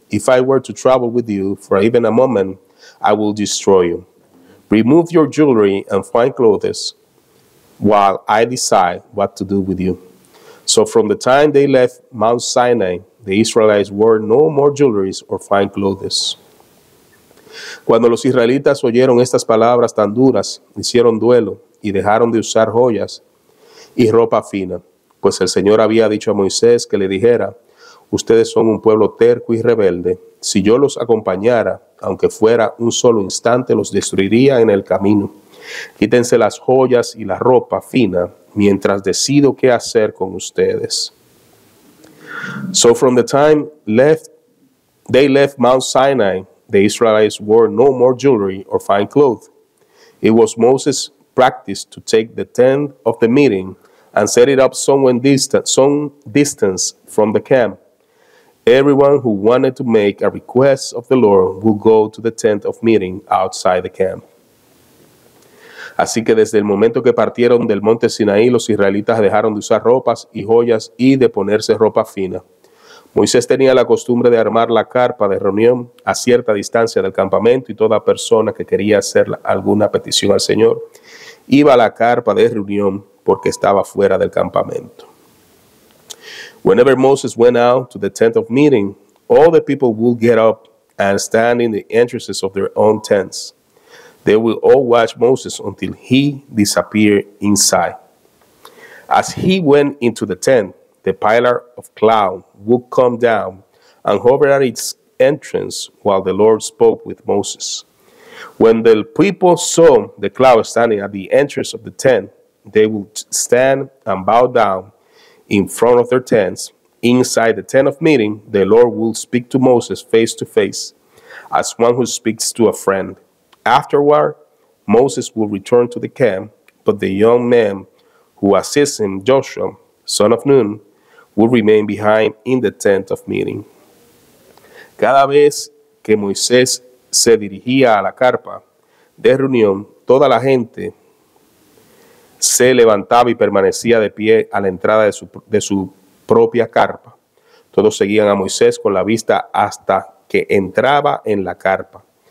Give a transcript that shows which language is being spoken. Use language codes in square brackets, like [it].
[en] If I were to travel with you for even a moment, I will destroy you. Remove your jewelry and fine clothes while I decide what to do with you. So from the time they left Mount Sinai, the Israelites wore no more jewelry or fine clothes. [es] Cuando los israelitas oyeron estas palabras tan duras, hicieron duelo y dejaron de usar joyas y ropa fina, pues el Señor había dicho a Moisés que le dijera, ustedes son un pueblo terco y rebelde. Si yo los acompañara, aunque fuera un solo instante, los destruiría en el camino. Quítense las joyas y la ropa fina mientras decido qué hacer con ustedes. [en] So from the time they left Mount Sinai, the Israelites wore no more jewelry or fine clothes. It was Moses' practice to take the tent of the meeting and set it up some distance from the camp. Everyone who wanted to make a request of the Lord would go to the tent of meeting outside the camp. [es] Así que desde el momento que partieron del monte Sinaí, los israelitas dejaron de usar ropas y joyas y de ponerse ropa fina. Moisés tenía la costumbre de armar la carpa de reunión a cierta distancia del campamento y toda persona que quería hacer alguna petición al Señor iba a la carpa de reunión porque estaba fuera del campamento. [en] Whenever Moses went out to the tent of meeting, all the people would get up and stand in the entrances of their own tents. They will all watch Moses until he disappeared inside. As he went into the tent, the pillar of cloud would come down and hover at its entrance while the Lord spoke with Moses. When the people saw the cloud standing at the entrance of the tent, they would stand and bow down in front of their tents. Inside the tent of meeting, the Lord will speak to Moses face to face, as one who speaks to a friend. Afterward, Moses will return to the camp, but the young man who assists him, Joshua, son of Nun, will remain behind in the tent of meeting. [es] Cada vez que Moisés se dirigía a la carpa de reunión, toda la gente se levantaba y permanecía de pie a la entrada de su propia carpa. Todos seguían a Moisés con la vista hasta que entraba en la carpa.